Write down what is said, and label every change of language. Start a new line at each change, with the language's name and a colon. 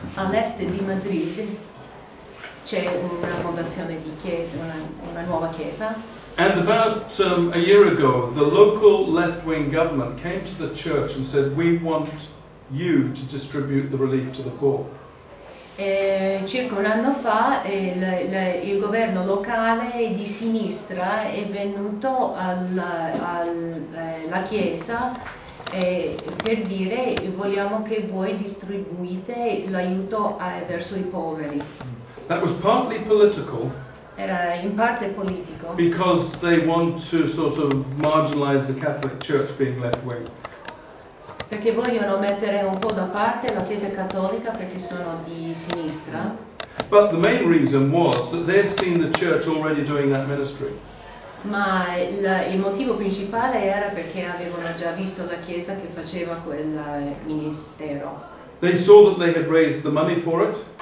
Italian: All'est di Madrid c'è una fondazione di chiesa, una nuova chiesa.
English: And about a year ago, the local left-wing government came to the church and said, "We want you to distribute the relief to the poor."
Italian: Circa un anno fa il governo locale di sinistra è venuto alla chiesa per dire vogliamo che voi distribuite l'aiuto verso i poveri.
English: That was partly political.
Italian: Era in parte politico.
English: Because they want to sort of marginalize the Catholic Church being left wing.
Italian: Perché vogliono mettere un po' da parte la Chiesa Cattolica perché sono di sinistra.
English: But the main reason was that they had seen the church already doing that ministry.
Italian: Ma il motivo principale era perché avevano già visto la Chiesa che faceva quel ministero.
English: They saw that they had raised the money for it.